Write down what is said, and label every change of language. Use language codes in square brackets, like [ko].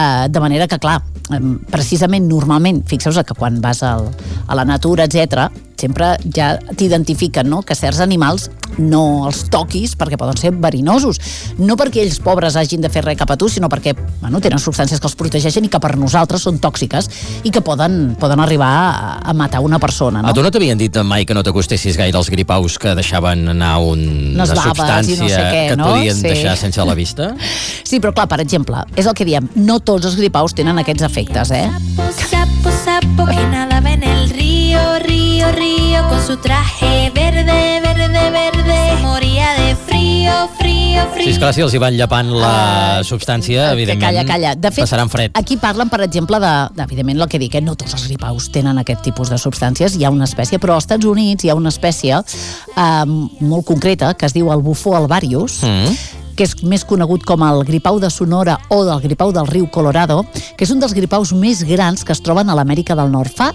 [ca] de manera que clar, precisament normalment, fixeu-vos que quan vas a la natura, etc, sempre ja t'identifiquen, no?, que certs animals no els toquis perquè poden ser verinosos, no perquè ells pobres hagin de fer res cap a tu, sinó perquè tenen substàncies que els protegeixen i que per nosaltres són tòxiques i que poden arribar a matar una persona, no? A tu no t'havien dit mai que no t'acostessis gaire als gripaus, que deixaven anar una substància que podien deixar sense la vista? Sí, però clar, per exemple, és el que diem, no tots els gripaus tenen aquests efectes, [es] Sapo, sapo, que nadava en el río, río, río, con su traje verde, verde, verde, moría de frío, frío, frío. [ca] Sí, esclar, si els hi van llepant la substància, evidentment, calla. De fet, passaran fred. Aquí parlen, per exemple, evidentment, el que dic, no tots els gripaus tenen aquest tipus de substàncies, hi ha una espècie, però als Estats Units hi ha una espècie molt concreta, que es diu el bufó alvarius, que és més conegut com el gripau de Sonora o del gripau del riu Colorado, que és un dels gripaus més grans que es troben a l'Amèrica del Nord.